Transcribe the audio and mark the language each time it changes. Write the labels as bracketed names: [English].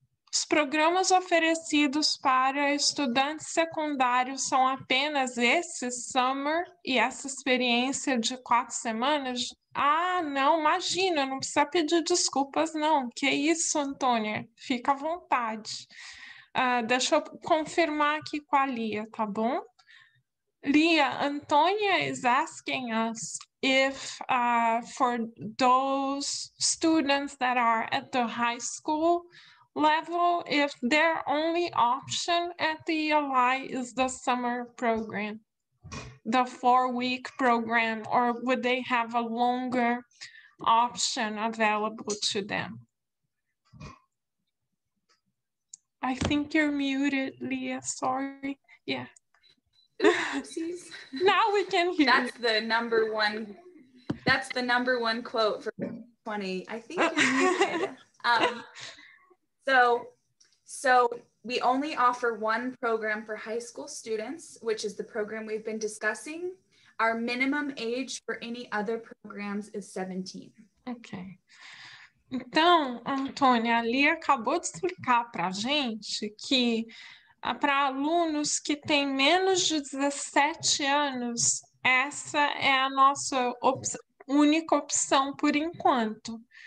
[Portuguese] Os programas oferecidos para estudantes secundários são apenas esse summer e essa experiência de 4 semanas? Ah, não, imagina, não precisa pedir desculpas, não. Que isso, Antônia? Fica à vontade. Deixa eu confirmar aqui com a Lia, tá bom? [English] Lia, Antônia is asking us if for those students that are at the high school level, if their only option at the ELI is the summer program, the 4-week program, or would they have a longer option available to them? I think you're muted, Leah. Sorry. Yeah. Oopsies. Now we can hear That's the number one. That's the number one quote for 20. I think you're muted. So we only offer one program for high school students, which is the program we've been discussing. Our minimum age for any other programs is 17. Ok. [Portuguese] Então, Antônia, ali acabou de explicar para a gente que para alunos que têm menos de 17 anos, essa é a nossa única opção por enquanto.